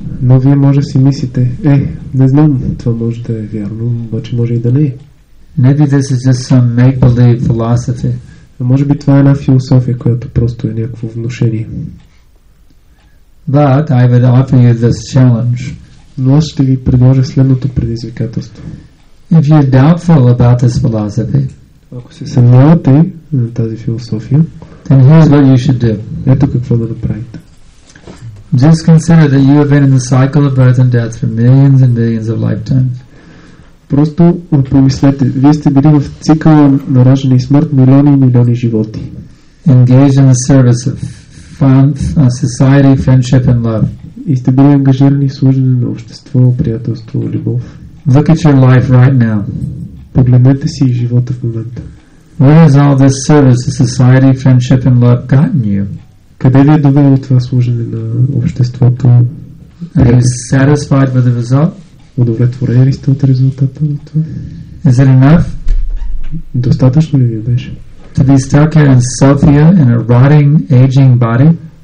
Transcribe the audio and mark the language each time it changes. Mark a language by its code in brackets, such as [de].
[bg] Но вие може си мислите, е, не знам, това може да е вярно, обаче може и да не е. [en] Maybe this is just some make-believe philosophy. [bg] Но може би това е една философия, която просто е някакво внушение. [en] But I would offer you this challenge. [bg] Но аз ще ви предложа следното предизвикателство. [en] If you're doubtful about this philosophy, [bg] ако се съмнявате на тази философия, [en] then here's what you should do. [bg] Ето какво да направите. [en] Just consider that you have been in the cycle of birth and death for millions and millions of lifetimes. [bg] Просто помислете, вие сте били в цикъла на раждане и смърт милиони и милиони животи. [en] Engaged in the service of society, friendship and love. [bg] И сте били ангажирани в служене на общество, приятелство, любов. [en] Look at your life right now. [bg] Погледнете си живота в момента. [en] Where has all this service to society, friendship and love gotten you? [bg] Къде ви е довело това служене на обществото? [en] Are you satisfied with the result? [bg] Удовлетворени ли сте от резултата на това? [en] Is it enough? [bg] Достатъчно ли ви беше? [en] to be stuck here in Sofia in a rotting, aging body?